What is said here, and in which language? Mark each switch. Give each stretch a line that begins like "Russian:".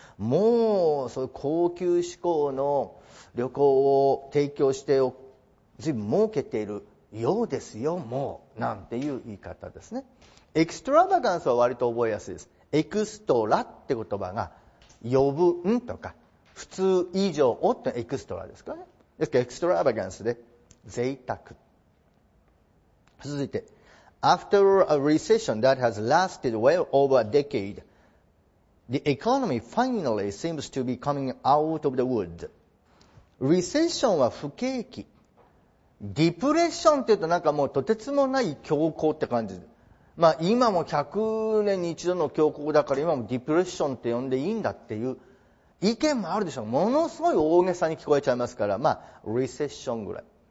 Japanese: もうそういう高級志向の旅行を提供して随分儲けているようですよ、もう、なんていう言い方ですね。エクストラバガンスは割と覚えやすいです。エクストラって言葉が余分とか普通以上をってエクストラですかね。ですからエクストラバガンスで贅沢。続いて
English: After a recession that has lasted well over a decade, the economy finally seems to be coming out of the woods.
Japanese: リセッションは不景気、ディプレッションって言うとなんかもうとてつもない恐慌って感じで、まあ今も100年に一度の恐慌だから今もディプレッションって呼んでいいんだっていう意見もあるでしょう。ものすごい大げさに聞こえちゃいますから、まあリセッションぐらい。